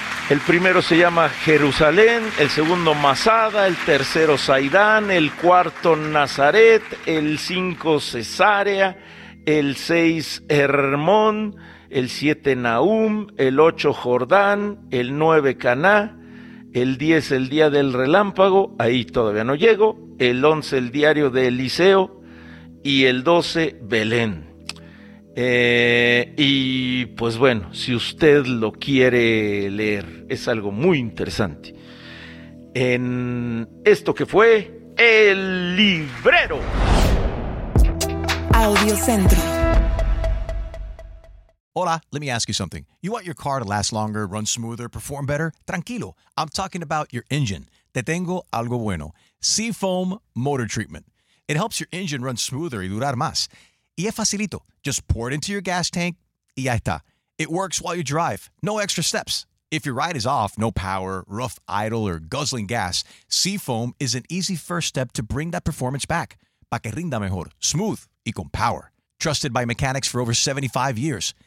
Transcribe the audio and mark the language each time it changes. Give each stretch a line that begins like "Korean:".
Spanish: El primero se llama Jerusalén, el segundo Masada, el tercero Zaidán, el cuarto Nazaret, el 5 Cesarea, el 6 Hermón, el 7 Nahum, el 8 Jordán, el 9 Caná, el 10 el día del relámpago, ahí todavía no llego, el 11 el diario de Eliseo y el 12 Belén. Y pues bueno, si usted lo quiere leer, es algo muy interesante. En esto que fue El Librero. Audiocentro. Hola,
English: let me ask you something. You want your car to last longer, run smoother, perform better?
Spanish: Tranquilo,
English: I'm talking about your engine.
Spanish: Te tengo algo bueno. Seafoam Motor Treatment.
English: It helps your engine run smoother
Spanish: y durar más. Y es facilito.
English: Just pour it into your gas tank
Spanish: y ya está.
English: It works while you drive. No extra steps. If your ride is off, no power, rough idle, or guzzling gas, Seafoam is an easy first step to bring that performance back.
Spanish: Pa que rinda mejor, smooth, y con power.
English: Trusted by mechanics for over 75 years.